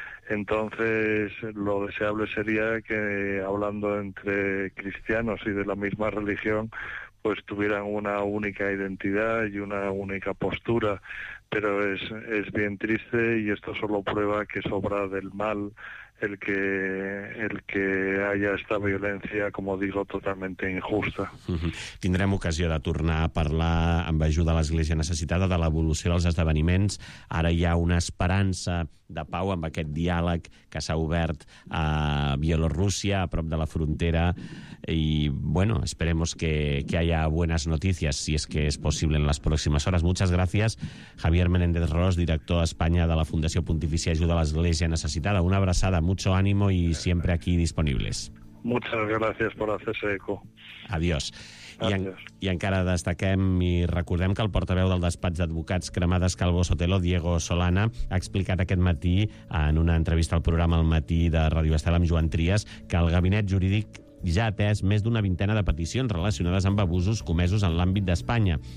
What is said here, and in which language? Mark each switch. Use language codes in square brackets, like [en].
[es] Entonces, lo deseable sería que, hablando entre cristianos y de la misma religión, pues tuvieran una única identidad y una única postura, pero es bien triste, y esto solo prueba que es obra del mal el que haya esta violencia, como digo, totalmente injusta. [ca] Tindrem ocasió de tornar a parlar amb Ajuda a l'Església Necessitada de l'evolució dels esdeveniments. Ara hi ha una esperança de pau amb aquest diàleg que s'ha obert a Bielorússia, a prop de la frontera, i, bueno, [es] esperemos que haya buenas noticias, si es que es posible, en las próximas horas. Muchas gracias, Javier Menéndez Ros, director a Espanya de la Fundació Pontifícia Ajuda a l'Església Necessitada. [ca] Una abraçada, [es] mucho ánimo y siempre aquí disponibles. Muchas gracias por hacerse eco. Adiós. [ca] I encara destaquem i recordem que el portaveu del despatx d'advocats Cremades Calvo Sotelo, Diego Solana, ha explicat aquest matí, en una entrevista al programa El Matí de Ràdio Estel amb Joan Trias, que el gabinet jurídic ja ha atès més d'una vintena de peticions relacionades amb abusos comesos en l'àmbit d'Espanya.